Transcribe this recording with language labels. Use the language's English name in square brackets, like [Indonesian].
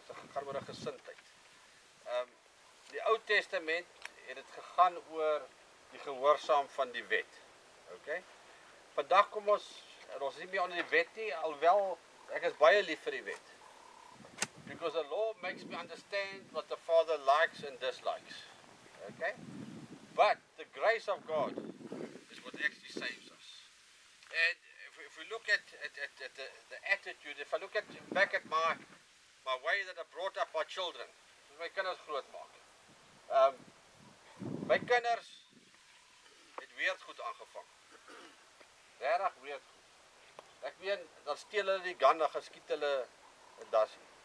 [Afrikaans] Dit gaan oor 'n gesindheid. Die Ou Testament het dit gegaan oor die gehoorsaam van die wet. Okay? Vandag kom ons nie meer onder die wet nie, alhoewel ek is baie lief vir die wet. [English] Because the law makes me understand what the Father likes and dislikes. Okay? But the grace of God is what actually saves us. And if we look at the attitude, if I look at back at my way that I brought up my children, [Afrikaans] my kinders groot maak. My kinders het weerd goed aangevang. Regtig weerd goed. Ek meen, dan steel hulle die gun, dan geskiet hulle 'n dassie.